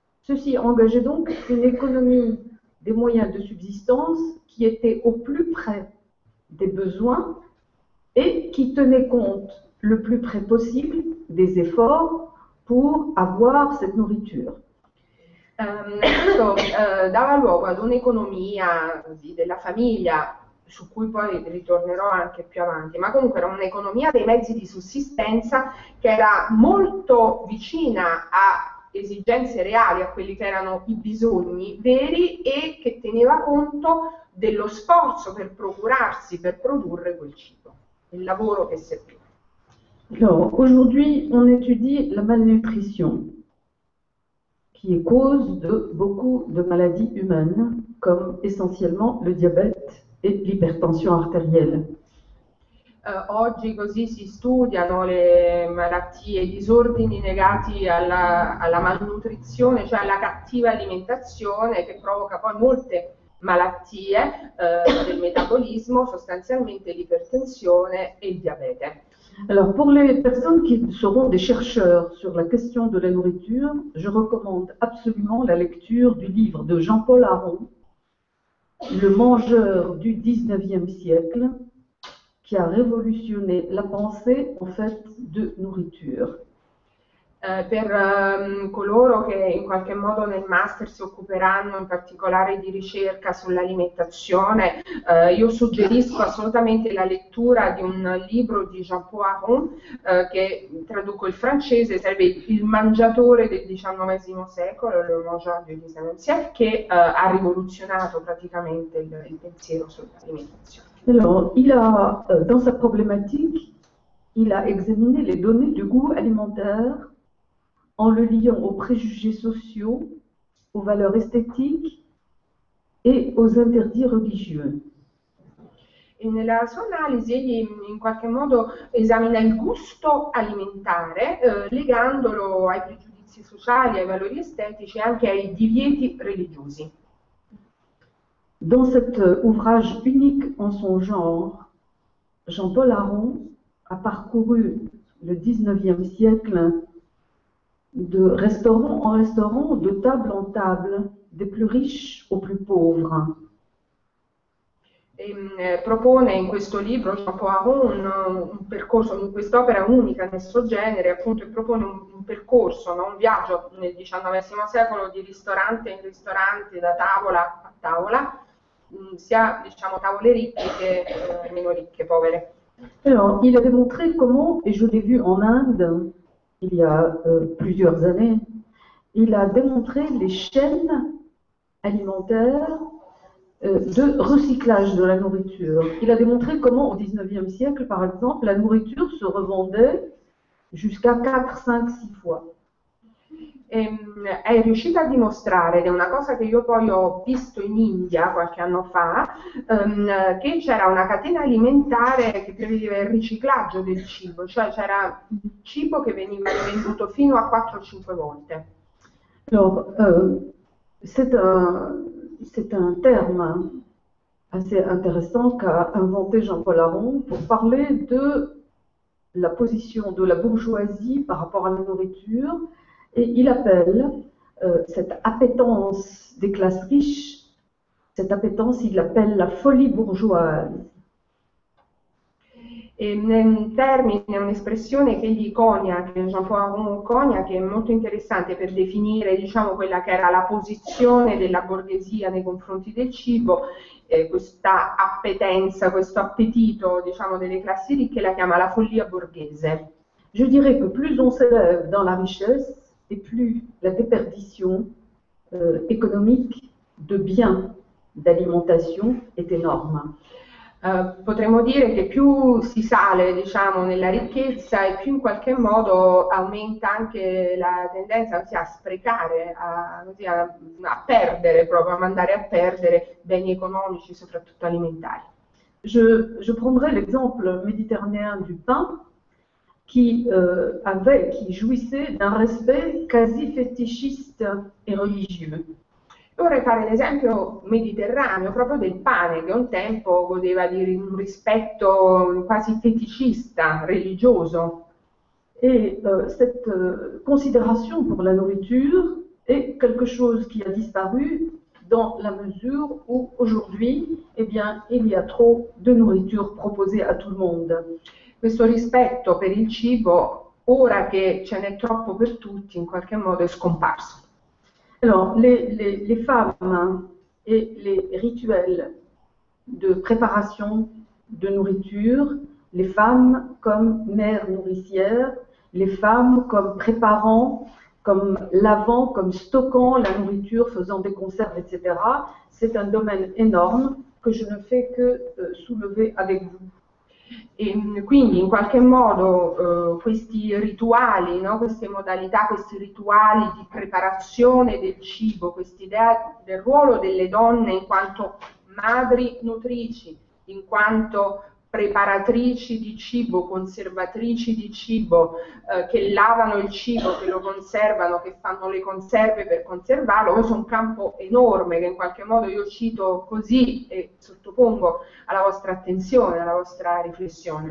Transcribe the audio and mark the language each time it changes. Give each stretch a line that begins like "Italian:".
French: Ceci engageait donc une économie des moyens de subsistance qui était au plus près des besoins et qui tenait compte le plus près possible des efforts pour avoir cette nourriture.
Italian: Questo dava luogo ad un'economia della famiglia, su cui poi ritornerò anche più avanti, ma comunque era un'economia dei mezzi di sussistenza che era molto vicina a esigenze reali, a quelli che erano i bisogni veri e che teneva conto dello sforzo per procurarsi, per produrre quel cibo, il lavoro che serviva.
French: Alors, aujourd'hui, on étudie la malnutrition, qui est cause de beaucoup de maladies humaines, comme essentiellement le diabète et l'hypertension artérielle.
Italian: Oggi così si studiano le malattie, i disordini legati alla malnutrizione, cioè alla cattiva alimentazione che provoca poi molte malattie del metabolismo, sostanzialmente l'ipertensione e il diabete.
French: Alors, pour les personnes qui seront des chercheurs sur la question de la nourriture, je recommande absolument la lecture du livre de Jean-Paul Aron, Le mangeur du 19e siècle, qui a révolutionné la pensée en fait de nourriture.
Italian: Per coloro che in qualche modo nel master si occuperanno in particolare di ricerca sull'alimentazione, io suggerisco assolutamente la lettura di un libro di Jean-Paul Aron, che traduco il francese, sarebbe Il mangiatore del XIX secolo, Le mangeur du XIXe siècle, che ha rivoluzionato praticamente il pensiero sull'alimentazione.
French: Alors, il a, dans sa problématique, il a examiné les données du goût alimentaire en le liant aux préjugés sociaux, aux valeurs esthétiques et aux interdits religieux.
Italian: E nella sua analisi, egli in qualche modo esamina il gusto alimentare, legandolo ai pregiudizi sociali, ai valori estetici e anche ai divieti religiosi.
French: Dans cet ouvrage unique en son genre, Jean-Paul Aron a parcouru le 19e siècle de restaurant en restaurant, de table en table, des plus riches aux plus pauvres.
Italian: Propone in questo libro Jean-Paul Aron un percorso, in quest'opera unica nel suo genere, appunto, e propone un percorso, no? Un viaggio nel XIX secolo di ristorante in ristorante, da tavola a tavola, sia diciamo tavole ricche che meno ricche, povere.
French: Alors, il avait montré comment, et je l'ai vu en Inde il y a plusieurs années, il a démontré les chaînes alimentaires de recyclage de la nourriture. Il a démontré comment, au 19e siècle, par exemple, la nourriture se revendait jusqu'à 4, 5, 6 fois.
Italian: È riuscita a dimostrare, ed è una cosa che io poi ho visto in India qualche anno fa, che c'era una catena alimentare che prevedeva il riciclaggio del cibo, cioè c'era cibo che veniva rivenduto fino a 4-5 volte.
French: Alors, c'est un terme assez intéressant qu'a inventé Jean-Paul Aron pour parler de la position de la bourgeoisie par rapport à la nourriture. Et il appelle cette appétence des classes riches, cette appétence, il l'appelle la folie bourgeoise.
Italian: E un termine, un'espressione che egli conia, che Jean-Paul Aron conia, che è molto interessante per definire, diciamo, quella che era la posizione della borghesia nei confronti del cibo, questa appetenza, questo appetito, diciamo, delle classi ricche, la chiama la follia borghese.
French: Je dirais que plus on s'élève dans la richesse et plus la déperdition économique de biens d'alimentation est énorme.
Italian: Potremmo dire che più si sale, diciamo, nella ricchezza e più in qualche modo aumenta anche la tendenza, ossia, a sprecare, a perdere, proprio a mandare a perdere beni economici, soprattutto alimentari.
French: Je prendrai l'exemple méditerranéen du pain qui jouissait d'un respect quasi fétichiste et religieux.
Italian: Vorrei fare l'esempio mediterraneo, proprio del pane, che un tempo godeva di un rispetto quasi feticista, religioso.
French: Cette considération pour la nourriture est quelque chose qui a disparu. Dans la mesure où aujourd'hui, eh bien, il y a trop de nourriture proposée à tout le monde.
Italian: Questo rispetto per il cibo, ora che ce n'è troppo per tutti, in qualche modo è scomparso.
French: Alors, les femmes et les rituels de préparation de nourriture, les femmes comme mères nourricières, les femmes comme préparants, comme lavant, comme stockant la nourriture, faisant des conserves, etc. C'est un domaine énorme que je ne fais que soulever avec vous.
Italian: E quindi in qualche modo questi rituali, no? Queste modalità, questi rituali di preparazione del cibo, quest'idea del ruolo delle donne in quanto madri nutrici, in quanto preparatrici di cibo, conservatrici di cibo, che lavano il cibo, che lo conservano, che fanno le conserve per conservarlo, questo è un campo enorme che in qualche modo io cito così e sottopongo alla vostra attenzione, alla vostra riflessione.